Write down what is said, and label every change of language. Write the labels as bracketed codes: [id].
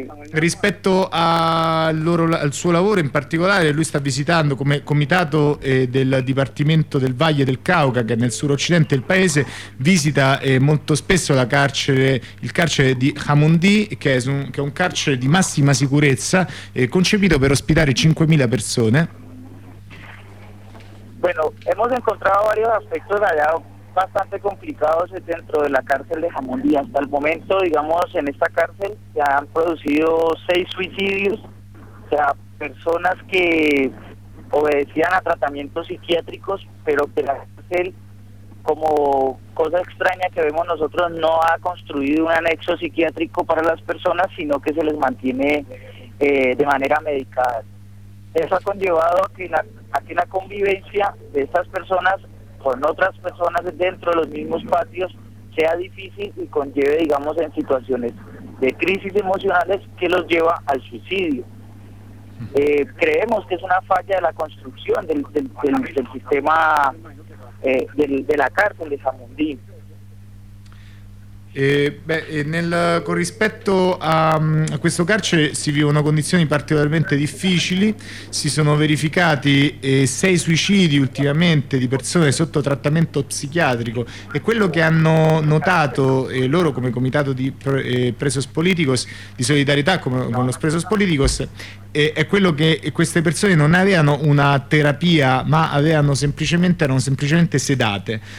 [it] Rispetto a loro, al suo lavoro in particolare, lui sta visitando come comitato del Dipartimento del Valle del Cauca, che è nel suroccidente del paese, visita molto spesso la carcere, il carcere di Jamundí, che è un carcere di massima sicurezza, concepito per ospitare 5.000 persone. [es] Bueno, hemos encontrado varios aspectos allá bastante complicados dentro de la cárcel de Jamundí. Hasta el momento, digamos, en esta cárcel se han producido 6 suicidios, o sea, personas que obedecían a tratamientos psiquiátricos, pero que la cárcel, como cosa extraña que vemos nosotros, no ha construido un anexo psiquiátrico para las personas, sino que se les mantiene de manera medicada. Eso ha conllevado a que la convivencia de estas personas con otras personas dentro de los mismos patios sea difícil y conlleve, digamos, en situaciones de crisis emocionales que los lleva al suicidio. Creemos que es una falla de la construcción del sistema de la cárcel de Jamundí. [it] Nel corrispetto a questo carcere si vivono condizioni particolarmente difficili, si sono verificati 6 suicidi ultimamente di persone sotto trattamento psichiatrico, e quello che hanno notato loro come comitato di [es] presos politicos, [it] di solidarietà [es] con los presos politicos, [it] è quello che queste persone non avevano una terapia, ma erano semplicemente sedate.